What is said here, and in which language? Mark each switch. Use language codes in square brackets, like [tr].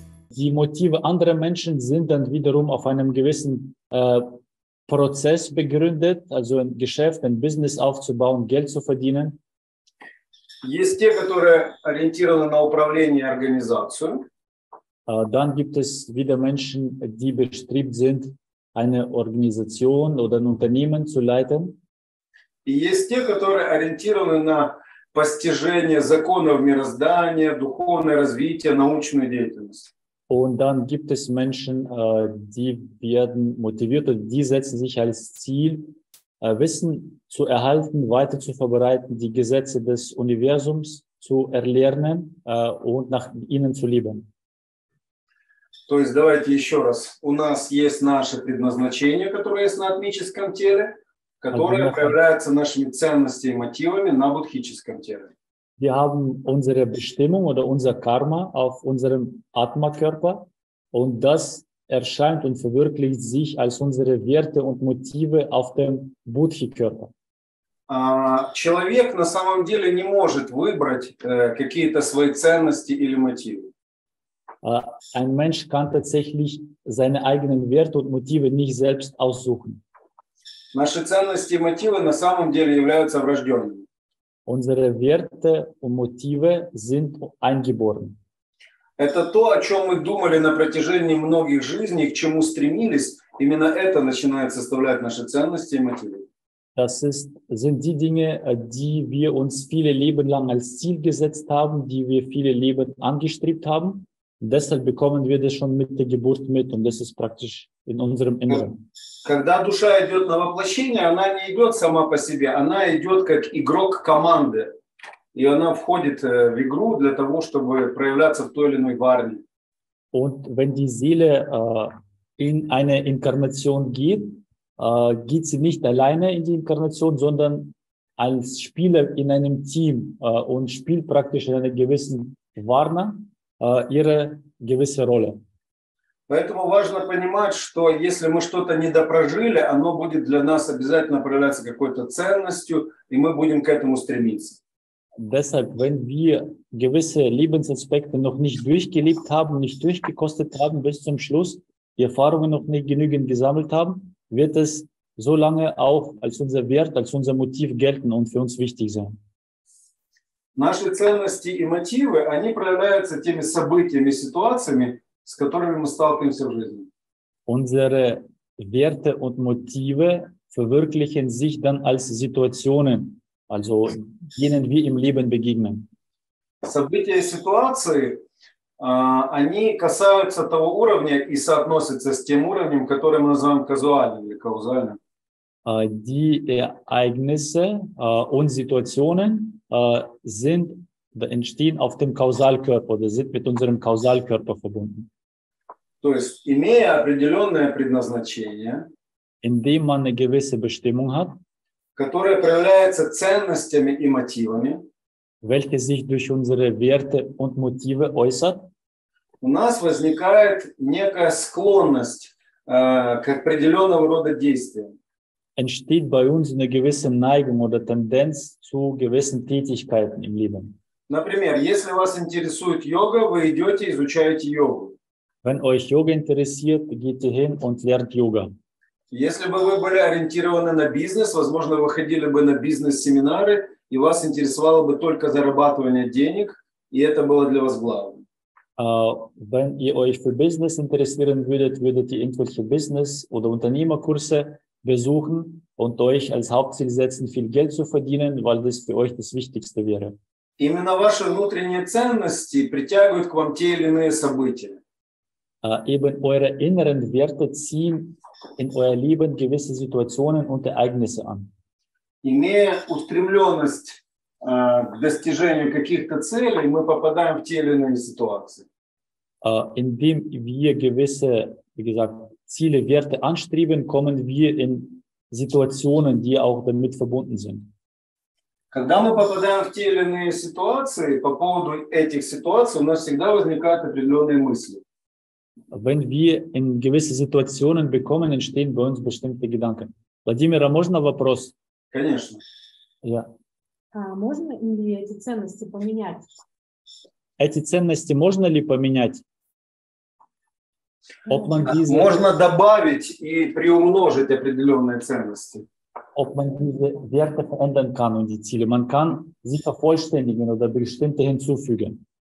[de] die Motive anderer Menschen sind dann wiederum auf einem gewissen Prozess begründet, also ein Geschäft, ein Business aufzubauen, Geld zu verdienen. [ru] Есть те, которые ориентированы на управление организацией. [de] Dann gibt es wieder Menschen, die bestrebt sind, eine Organisation oder ein Unternehmen zu leiten. [ru] И есть те, которые ориентированы на постижение законов мироздания, духовное развитие, научную деятельность. [de] Und dann gibt es Menschen, die werden motiviert und die setzen sich als Ziel, Wissen zu erhalten, weiter zu verbreiten, die Gesetze des Universums zu erlernen und nach ihnen zu leben. [ru] То есть давайте еще раз. У нас есть наше предназначение, которое есть на атмическом теле, которое проявляется нашими ценностями и мотивами на будхическом теле. [de] Wir haben unsere Bestimmung oder unser Karma auf unserem Atma-Körper und das erscheint und verwirklicht sich als unsere Werte und Motive auf dem Buddhi-Körper. [ru] Человек на самом деле не может выбрать какие-то свои ценности или мотивы. [de] Ein Mensch kann tatsächlich seine eigenen Werte und Motive nicht selbst aussuchen. [ru] Наши ценности и мотивы на самом деле являются врожденными. [de] Unsere Werte und Motive sind eingeboren. [ru] Это то, о чем мы думали на протяжении многих жизней, к чему стремились. Именно это начинает составлять наши ценности и мотивы. [de] Das ist, sind die Dinge, die wir uns viele Leben lang als Ziel gesetzt haben, die wir viele Leben angestrebt haben. Deshalb bekommen wir das schon mit der Geburt mit und das ist praktisch in unserem Inneren. [ru] Когда душа идет на воплощение, она не идет сама по себе, она идет как игрок команды. И она входит в игру для того, чтобы проявляться в той или иной варне. [de] Und wenn die Seele in eine Inkarnation geht, geht sie nicht alleine in die Inkarnation, sondern als Spieler in einem Team und spielt praktisch in einer gewissen Varna ihre gewisse Rolle. [ru] Поэтому важно понимать, что если мы что-то недопрожили, оно будет для нас обязательно проявляться какой-то ценностью, и мы будем к этому стремиться. [de] Deshalb, wenn wir gewisse Lebensaspekte noch nicht durchgelebt haben, nicht durchgekostet haben bis zum Schluss, die Erfahrungen noch nicht genügend gesammelt haben, wird es so lange auch als unser Wert, als unser Motiv gelten und für uns wichtig sein. [ru] Наши ценности и мотивы, они проявляются теми событиями, ситуациями, с которыми мы сталкиваемся в жизни. [de] Unsere Werte und Motive verwirklichen sich dann als Situationen, also denen wir im Leben begegnen. [ru] События и ситуации, они касаются того уровня и соотносятся с тем уровнем, который мы называем казуальным или каузальным. [de] Die Ereignisse und Situationen sind, entstehen auf dem Kausalkörper oder sind mit unserem Kausalkörper verbunden. [ru] То есть, имея определенное предназначение, [de] indem man eine gewisse Bestimmung hat, [ru] которое проявляется ценностями и мотивами, [de] welche sich durch unsere Werte und Motive äußert, [ru] у нас возникает некая склонность к определенного рода действиям. [de] Entsteht bei uns eine gewisse Neigung oder Tendenz zu gewissen Tätigkeiten im Leben. [ru] Например, если вас интересует йога, вы идете, изучаете йогу. [de] Wenn euch Yoga interessiert, geht ihr hin und lernt Yoga. [ru] Если бы вы были ориентированы на бизнес, возможно, вы ходили бы на бизнес-семинары, и вас интересовало бы только зарабатывание денег, и это было для вас главным. [de] Wenn ihr euch für Business interessieren würdet, würdet ihr irgendwelche Business- oder Unternehmerkurse besuchen und euch als Hauptziel setzen, viel Geld zu verdienen, weil das für euch das Wichtigste wäre. [ru] Именно ваши внутренние ценности притягивают к вам те или иные события. [de] Eben eure inneren Werte ziehen in euer Leben gewisse Situationen und Ereignisse an. [ru] Имея устремленность к достижению каких-то целей, мы попадаем в те или иные ситуации. [de] Indem wir gewisse, wie gesagt, Ziele, Werte anstreben, kommen wir in Situationen, die auch damit verbunden sind. [ru] Когда мы попадаем в те или иные ситуации, по поводу этих ситуаций у нас всегда возникают определенные мысли. [de] Wenn wir in gewisse Situationen bekommen, entstehen bei uns bestimmte Gedanken. [ru] Владимира, можно вопрос? Конечно. [de] Ja. [ru] Можно ли эти ценности поменять? Эти ценности можно ли поменять? Можно добавить и приумножить определенные ценности. [de] Ob man diese Werte verändern kann und die Ziele. Man kann sie vervollständigen oder bestimmte hinzufügen.